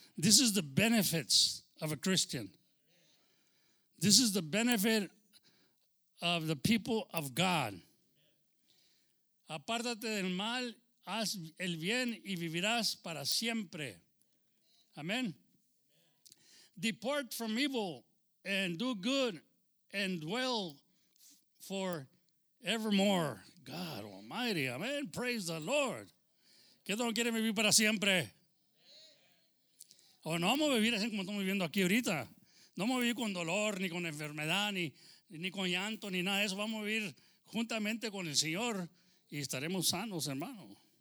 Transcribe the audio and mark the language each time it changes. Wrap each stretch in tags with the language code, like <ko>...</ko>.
<en>This is the benefits of a Christian. This is the benefit of the people of God.</en> <es>Apártate del mal, haz el bien y vivirás para siempre. Amén.</es> <en>Depart from evil and do good and dwell for evermore. God Almighty, amén. Praise the Lord.</en> <es>¿Qué no quiere vivir para siempre? O no vamos a vivir así como estamos viviendo aquí ahorita. No vamos a vivir con dolor, ni con enfermedad, ni con llanto, ni nada de eso. Vamos a vivir juntamente con el Señor y estaremos sanos, hermano.</es>